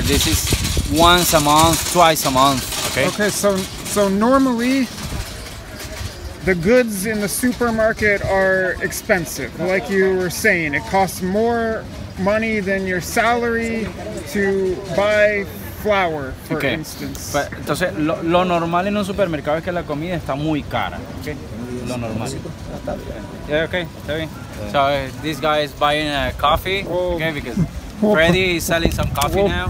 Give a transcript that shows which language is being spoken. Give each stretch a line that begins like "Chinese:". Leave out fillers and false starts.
English: This is once a month, twice a month, okay? Okay, so normally the goods in the supermarket are expensive, like you were saying. It costs more money than your salary to buy flour, for okay. instance.
Spanish: Pero, entonces, lo normal en un supermercado es que la comida está muy cara. Okay. Lo normal.
English: Yeah, okay,
Spanish: está bien.
English: So, this guy is buying a coffee. Okay, because Freddy is selling some coffee now.